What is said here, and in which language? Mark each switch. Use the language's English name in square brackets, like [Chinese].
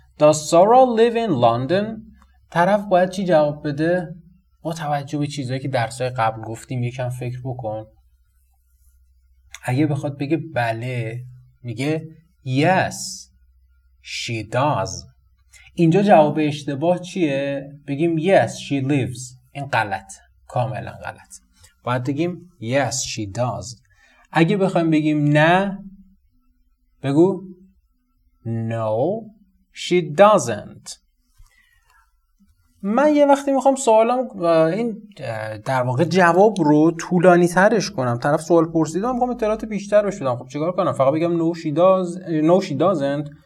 [English] Does Sara live in London؟ [Persian] طرف باید چی جواب بده؟ با توجه به چیزهایی که درسای قبل گفتیم یکم فکر بکن. اگه بخواد بگه بله، میگه [English] Yes, she does. [Persian] اینجا جواب اشتباه چیه؟ بگیم [English] Yes, she lives. [Persian] این غلط، کاملا غلط. باید بگیم [English] Yes, she does. [Persian] اگه بخوایم بگیم نه، بگو [English] No, she doesn't. [Persian] من یه وقتی میخوام سوالم این در واقع جواب رو طولانی ترش کنم، طرف سوال پرسیده، میخوام اطلاعات بیشتر بهش بدم، خب چیکار کنم؟ فقط بگم [English] No, she doesn't.